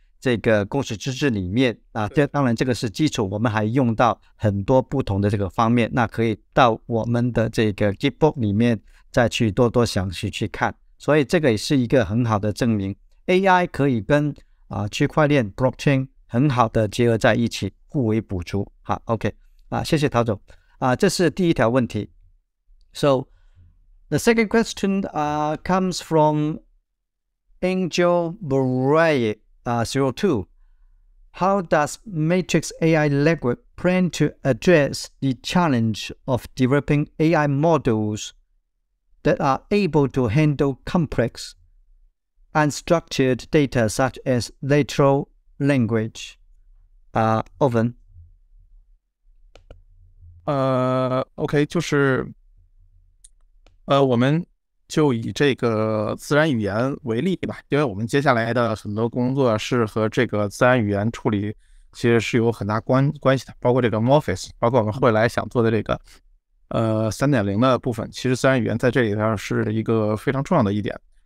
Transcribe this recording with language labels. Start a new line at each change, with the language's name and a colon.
Chinese: 这个共识机制里面啊，这当然这个是基础，我们还用到很多不同的这个方面，那可以到我们的这个 GitBook 里面再去多多详细去看，所以这个也是一个很好的证明 AI 可以跟啊区块链 Blockchain 很好的结合在一起，互为补足。好 OK 啊，谢谢陶总啊，这是第一条问题。
English: So the second question comes from Angel Barai02. How does Matrix AI Network plan to address the challenge of developing AI models that are able to handle complex unstructured data such as natural language? Owen.
Chinese: Okay, 就是我们就以这个自然语言为例吧，因为我们接下来的很多工作是和这个自然语言处理其实是有很大关系的，包括这个 Morpheus， 包括我们未来想做的这个 3.0 的部分，其实自然语言在这里头是一个非常重要的一点。